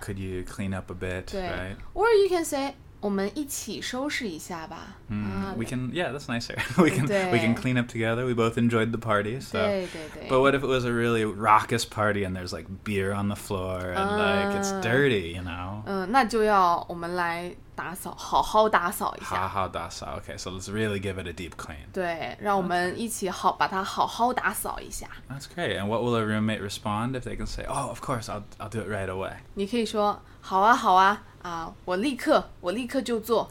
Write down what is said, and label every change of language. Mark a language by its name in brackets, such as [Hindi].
[English] could you clean up a bit [Chinese] 对、 [English] right? or you can say [Chinese] 我们一起收拾一下吧、 [English] we can yeah that's nicer we can clean up together we both enjoyed the party so [Chinese] 对对对 [English] but what if it was a really raucous party and there's like beer on the floor and like it's dirty you know [Chinese] 那就要我们来打扫好好打扫一下好好打扫 [English] okay so let's really give it a deep clean [Chinese] 对让我们一起好把它好好打扫一下 [English] that's great and what will a roommate respond if they can say oh of course I'll do it right away [Chinese] 你可以说好啊好啊我立刻就做